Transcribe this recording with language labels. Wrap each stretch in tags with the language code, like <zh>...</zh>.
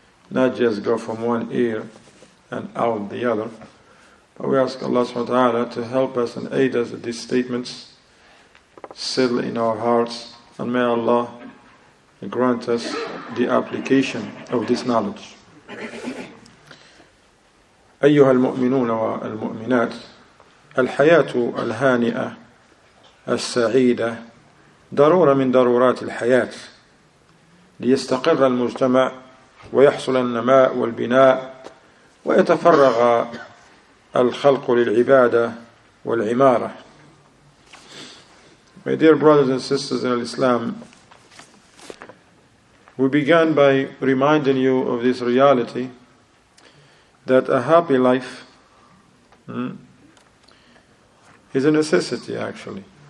<en>Not just go from one ear and out the other. But we ask Allah subhanahu wa ta'ala to help us and aid us that these statements settle in our hearts. And may Allah grant us the application of this knowledge.</en> <ar>أيها المؤمنون والمؤمنات الحياة الهانئة السعيدة ضرورة من ضرورات الحياة ليستقر المجتمع ويحصل النماء والبناء ويتفرغ الخلق للعبادة والعمارة.</ar> <en>My dear brothers and sisters in Islam, we began by reminding you of this reality that a happy life is a necessity, actually.</en>